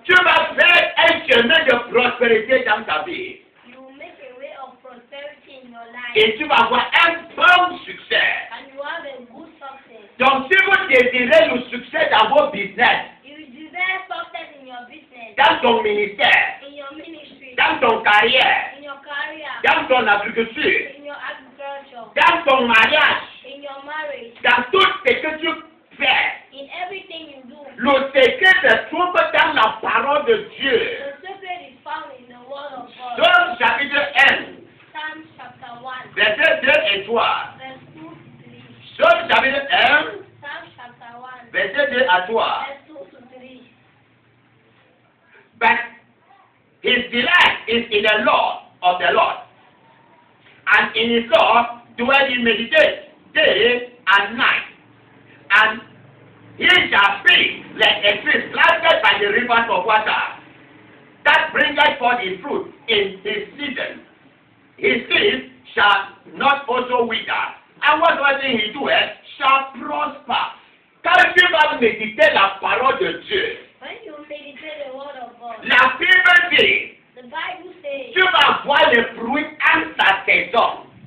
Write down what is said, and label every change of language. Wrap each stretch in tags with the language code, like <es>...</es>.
<fr>tu vas faire un chemin de prospérité dans ta vie.</fr> <en>You will make a way of prosperity in your life.</en> <fr>Et tu vas avoir un bon succès.</fr> <en>And you have a good success.</en> <fr>Donc si vous désirez le succès dans vos business,</fr> <en>you desire success in your business,</en> <fr>dans ton ministère,</fr> <en>in your ministry,</en> <fr>dans ton carrière,</fr> <en>in your career,</en> <fr>dans ton agriculture,</fr> <en>in your agriculture,</en> <fr>dans ton mariage,</fr> <en>in your marriage,</en> <fr>dans tout ce que tu</fr> <en>in everything you do,</en> <fr>le secret se trouve dans la parole de Dieu.</fr> <en>The secret is found in the word of God. Psalm chapter 1. Psalm chapter 1.</en> <fr>Verset 2 et 3.</fr> <en>Verse 2 to 3. Psalm chapter 1. Psalm chapter 1.</en> <fr>Verset 2 à 3.</fr> <en>Verse 2 to 3. But his delight is in the law of the Lord. And in his law dwell he meditate day and night. And he shall be like a tree planted by the rivers of water, that bringeth forth his fruit in his season. His seed shall not also wither, and whatsoever he doeth shall prosper.</en> <fr>Quand tu vas méditer la parole de Dieu,</fr> <en>when you meditate the word of God,</en> <fr>la Bible dit,</fr> <en>the Bible says,</en> <fr>tu vas voir les fruits en ta saison.</fr>